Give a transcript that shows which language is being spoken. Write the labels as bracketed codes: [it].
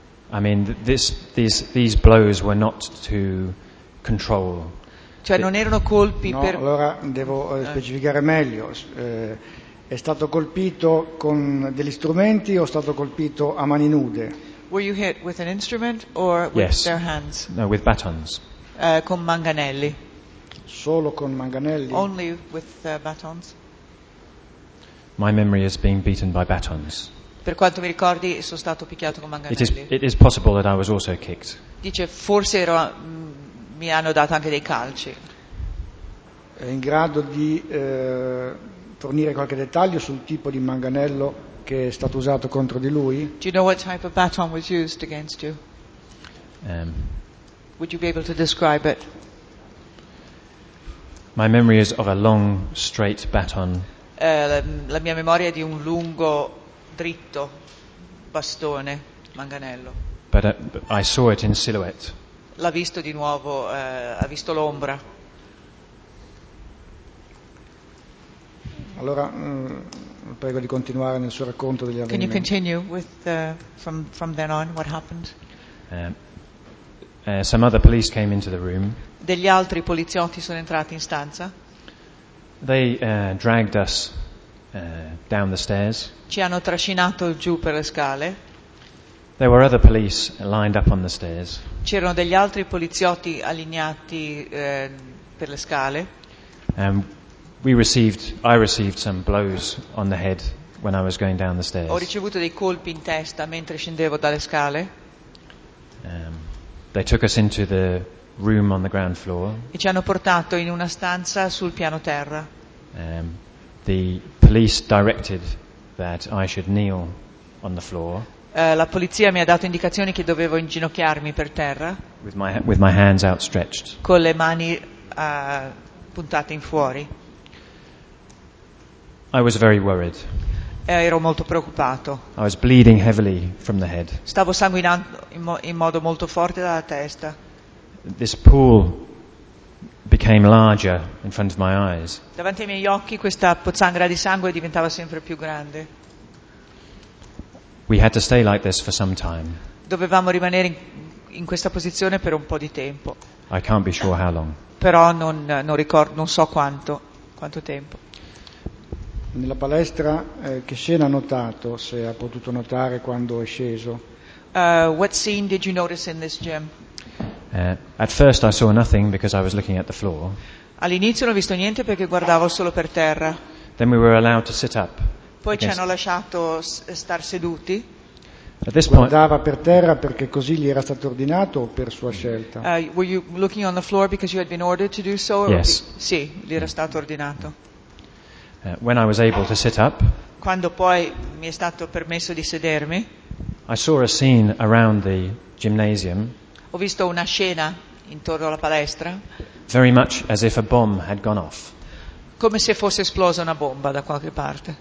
[en] I mean, these blows were not to control... [it] Cioè non erano colpi no, per... allora devo specificare meglio. È stato colpito con degli strumenti o è stato colpito a mani nude? [en] Were you hit with an instrument or with yes. their hands? No, with batons. [it] Con manganelli. Solo con manganelli? [en] Only with batons. My memory is being beaten by batons. [it] Per quanto mi ricordi, sono stato picchiato con manganelli. [en] It is possible that I was also kicked. [it] Dice, forse ero... mi hanno dato anche dei calci. È in grado di fornire qualche dettaglio sul tipo di manganello che è stato usato contro di lui? [en] Do you know what type of baton was used against you? Would you be able to describe it? My memory is of a long straight baton. [it] La mia memoria è di un lungo dritto bastone manganello. [en] But I saw it in silhouette. [it] L'ha visto di nuovo, ha visto l'ombra. Allora, prego di continuare nel suo racconto degli avvenimenti. [en] Can you continue with from then on what happened? Some other police came into the room. [it] Degli altri poliziotti sono entrati in stanza. [en] They dragged us down the stairs. [it] Ci hanno trascinato giù per le scale. [en] There were other police lined up on the stairs. [it] C'erano degli altri poliziotti allineati per le scale. [en] I received some blows on the head when I was going down the stairs. [it] Ho ricevuto dei colpi in testa mentre scendevo dalle scale. [en] They took us into the room on the ground floor. [it] E ci hanno portato in una stanza sul piano terra. [en] The police directed that I should kneel on the floor. [it] La polizia mi ha dato indicazioni che dovevo inginocchiarmi per terra. [en] With my hands outstretched. [it] Con le mani puntate in fuori. [en] I was very worried. [it] Ero molto preoccupato. [en] I was bleeding heavily from the head. [it] Stavo sanguinando in modo molto forte dalla testa. [en] This pool became larger in front of my eyes. [it] Davanti ai miei occhi questa pozzanghera di sangue diventava sempre più grande. [en] We had to stay like this for some time. [it] Dovevamo rimanere in questa posizione per un po' di tempo. [en] I can't be sure how long. [it] Però non ricordo, non so quanto tempo. Nella palestra, che scena ha notato, se ha potuto notare, quando è sceso? [en] What scene did you notice in this gym? At first I saw nothing because I was looking at the floor. [it] All'inizio non ho visto niente perché guardavo solo per terra. [en] Then we were allowed to sit up. [it] Poi ci hanno lasciato star seduti. [en] At this point, [it] guardava per terra perché così gli era stato ordinato o per sua scelta? [en] Were you looking on the floor because you had been ordered to do so? Yes. [it] Sì, gli era stato ordinato. [en] When I was able to sit up, [it] quando poi mi è stato permesso di sedermi, [en] I saw a scene around the gymnasium. [it] Ho visto una scena intorno alla palestra. [en] Very much as if a bomb had gone off. [it] Come se fosse esplosa una bomba da qualche parte.